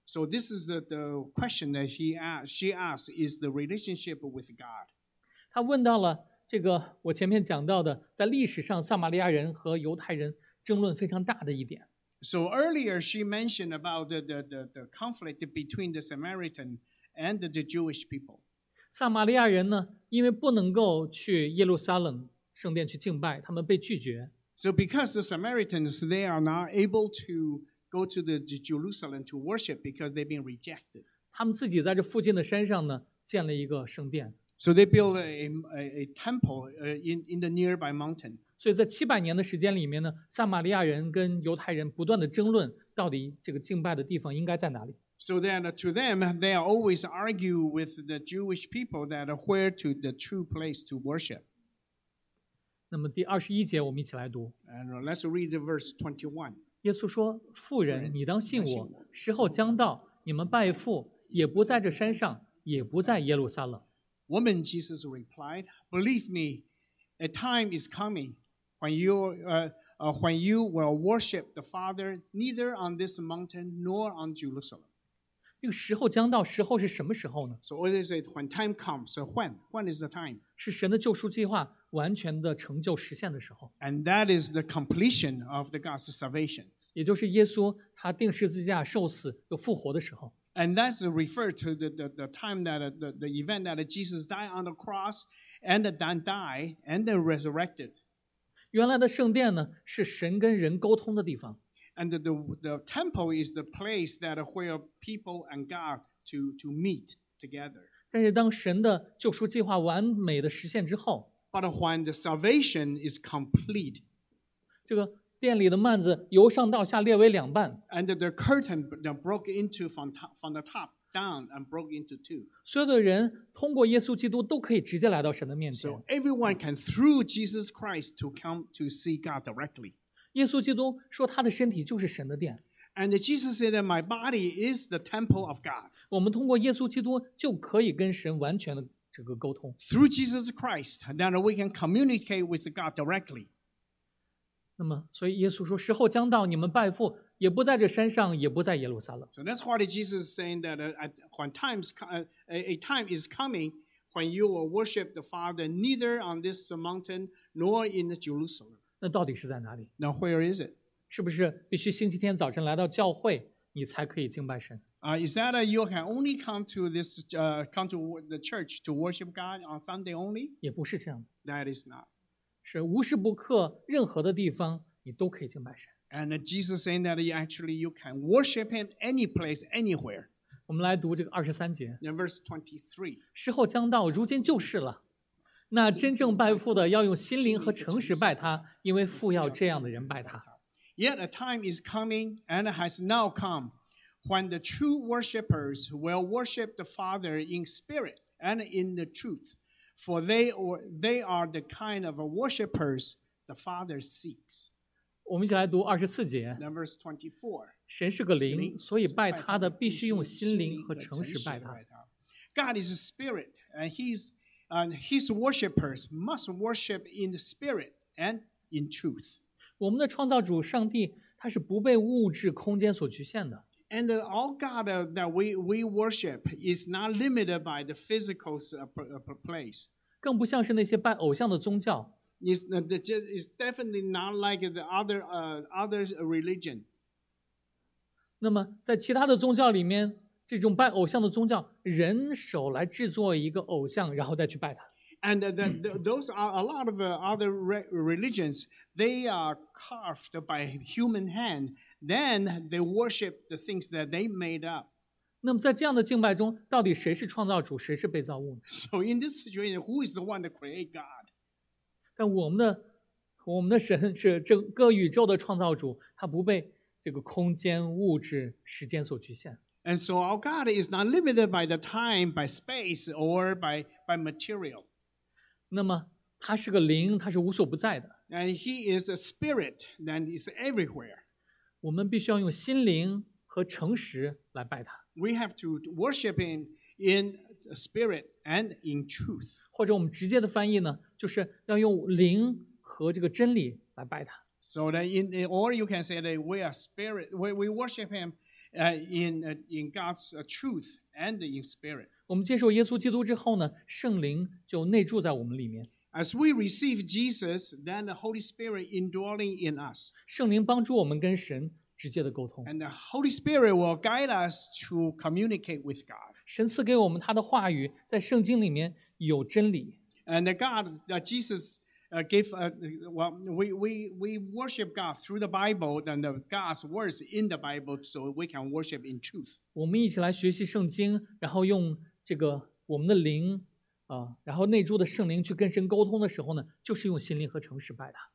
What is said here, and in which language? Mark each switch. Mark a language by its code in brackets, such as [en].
[en] So this is the question that she asked is the relationship with God. [zh] 她问到了这个我前面讲到的，在历史上撒玛利亚人和犹太人争论非常大的一点。 [en] So earlier she mentioned about the conflict between the Samaritan and the Jewish people. [zh] 撒玛利亚人呢，因为不能够去耶路撒冷圣殿去敬拜，他们被拒绝。 [en] So because the Samaritans, they are not able to go to the Jerusalem to worship because they've been rejected. [zh] 他们自己在这附近的山上呢，建了一个圣殿。 [en] So they built a temple in the nearby mountain. [zh] 所以在七百年的时间里面呢，撒玛利亚人跟犹太人不断的争论到底这个敬拜的地方应该在哪里。 [en] So then to them, they always argue with the Jewish people that where to the true place to worship. [zh] 那么第二十一节我们一起来读。 [en] And let's read verse 21. [zh] 耶稣说，妇人，你当信我，时候将到，你们拜父，也不在这山上，也不在耶路撒冷。 [en] Woman, Jesus replied, believe me, a time is coming when you will worship the Father neither on this mountain nor on Jerusalem. [zh] 这个时候将到，时候是什么时候呢 [en] ？So what is it when time comes? So when is the time? [zh] 是神的救赎计划完全的成就实现的时候。 [en] And that is the completion of the God's salvation. [zh] 也就是耶稣他钉十字架受死又复活的时候。 [en] And that's referred to the time that the event that Jesus died on the cross and then died and then resurrected. [zh] 原来的圣殿呢，是神跟人沟通的地方。 [en] And the temple is the place that where people and God to meet together. [zh] 但是当神的救赎计划完美的实现之后 [en] ，But when the salvation is complete, [zh] 这个殿里的幔子由上到下裂为两半 [en] ，And the curtain broke into from the top down and broke into two. [zh] 所有的人通过耶稣基督都可以直接来到神的面前。 [en] So everyone can through Jesus Christ to come to see God directly. [zh] 耶稣基督说他的身体就是神的殿。 [en] And Jesus said that my body is the temple of God. [zh] 我们通过耶稣基督就可以跟神完全的这个沟通。 [en] Through Jesus Christ, that we can communicate with God directly. [zh] 那么所以耶稣说时候将到你们拜父也不在这山上也不在耶路撒冷。 [en] So that's why Jesus is saying that a time is coming when you will worship the Father neither on this mountain nor in Jerusalem. [zh] 那到底是在哪里 [en] Now where is it? [zh] 是不是必须星期天早晨来到教会你才可以敬拜神 [en] Is that you can only come to this, come to the church to worship God on Sunday only? [zh] 也不是这样的 [en] That is not. [zh] 是无时不刻任何的地方你都可以敬拜神 [en] And Jesus saying that actually you can worship him any place, anywhere. [zh] 我们来读这个二十三节 [en] Verse 23. [zh] 时候将到如今就是了。那真正拜父的要用心灵和诚实拜他因为父要这样的人拜他 [en] Yet a time is coming and has now come when the true worshippers will worship the Father in spirit and in the truth for they are the kind of worshippers the Father seeks [zh] 我们一起来读二十四节 [en] Numbers 24 [zh] 神是个灵所以拜他的必须用心灵和诚实拜他 [en] God is a spirit and And his worshippers must worship in the spirit and in truth. [zh] 我们的创造主上帝，他是不被物质空间所局限的。 [en] And all God that we worship is not limited by the physical place. [zh] 更不像是那些拜偶像的宗教。 [en] It's definitely not like the other religion. [zh] 那么在其他的宗教里面这种拜偶像的宗教，人手来制作一个偶像，然后再去拜他。 [en] And those are a lot of other religions. They are carved by human hand. Then they worship the things that they made up. [zh] 那么在这样的敬拜中，到底谁是创造主，谁是被造物呢 [en] ？So in this situation, who is the one to create God? [zh] 但我们的神是各宇宙的创造主，他不被这个空间、物质、时间所局限。 [en] And so our God is not limited by the time, by space, or by material. [zh] 那么他是个灵，他是无所不在的。 [en] And he is a spirit that is everywhere. [zh] 我们必须要用心灵和诚实来拜他。 [en] We have to worship him in spirit and in truth. [zh] 或者我们直接的翻译呢，就是要用灵和这个真理来拜他。 [en] So that in, or you can say that we are spirit, we worship him. In God's truth and in spirit. [zh] 我们接受耶稣基督之后呢，圣灵就内住在我们里面。 [en] As we receive Jesus, then the Holy Spirit indwelling in us. [zh] 圣灵帮助我们跟神直接的沟通。 [en] And the Holy Spirit will guide us to communicate with God. [zh] 神赐给我们他的话语，在圣经里面有真理。 [en] And God, Jesus, we worship God through the Bible and God's words in the Bible, so we can worship in truth. [zh] 我们一起来学习圣经，然后用这个我们的灵，然后内住的圣灵去跟神沟通的时候呢，就是用心灵和诚实拜的。